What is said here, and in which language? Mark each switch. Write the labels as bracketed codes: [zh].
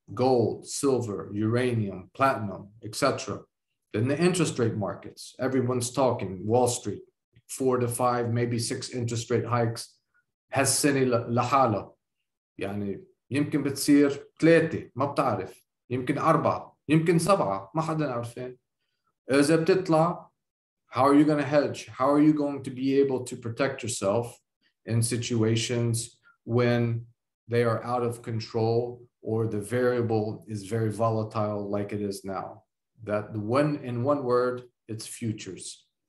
[en] Gold, silver, uranium, platinum, etc. Then the interest rate markets. Everyone's talking Wall Street, 4 to 5, maybe 6 interest rate hikes. Has seni lahala, yani [ar] يمكن بتصير ثلاثة ما بتعرف، يمكن أربعة، يمكن سبعة، ما حدا عارفين. إذا بتطلع [en] how are you going to hedge? How are you going to be able to protect yourself in situations when they are out of control or the variable is very volatile like it is now? That one, in one word, it's futures.